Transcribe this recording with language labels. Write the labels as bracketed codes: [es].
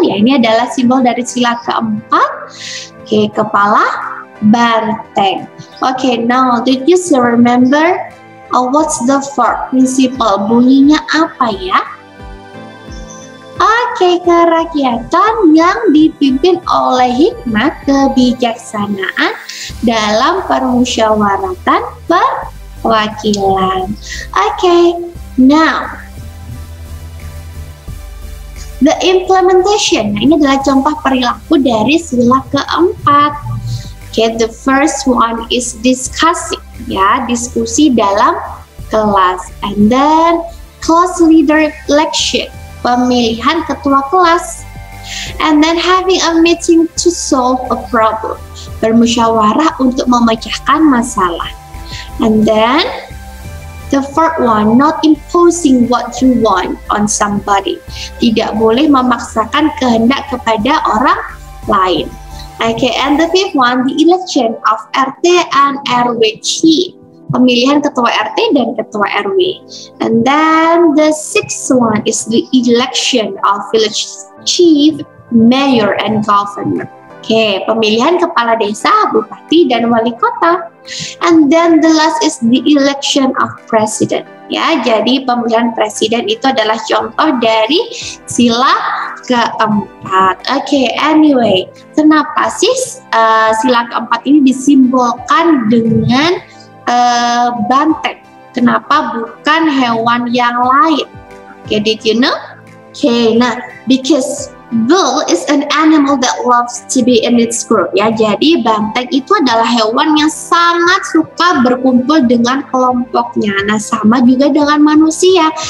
[id] Ya, ini adalah simbol dari sila keempat. Okay, kepala banteng. [en] Okay, now did you still remember what's the fourth principle? [id] Bunyinya apa ya? Okay, kerakyatan yang dipimpin oleh hikmat kebijaksanaan dalam permusyawaratan perwakilan. [en] Okay, now the implementation. [id] Nah, ini adalah contoh perilaku dari sila keempat. [en] Okay, the first one is discussing, ya, [id] diskusi dalam kelas. [en] And then class leader election, [id] pemilihan ketua kelas. [en] And then having a meeting to solve a problem, [id] bermusyawarah untuk memecahkan masalah. [en] And then the fourth one, not imposing what you want on somebody. [id] Tidak boleh memaksakan kehendak kepada orang lain. [en] Okay, and the fifth one, the election of RT and RW chief, [id] pemilihan ketua RT dan ketua RW. [en] And then the sixth one is the election of village chief, mayor and governor. [id] Okay, pemilihan kepala desa, bupati dan wali kota. [en] And then the last is the election of president. [id] Ya, jadi pemilihan presiden itu adalah contoh dari sila keempat. Okay, anyway, kenapa sih sila keempat ini disimbolkan dengan banteng? Kenapa bukan hewan yang lain? [en] Okay, did you know? Okay, nah, because bull is an animal that loves to be in its group. [id] Ya, jadi banteng itu adalah hewan yang sangat suka berkumpul dengan kelompoknya. Nah, sama juga dengan manusia.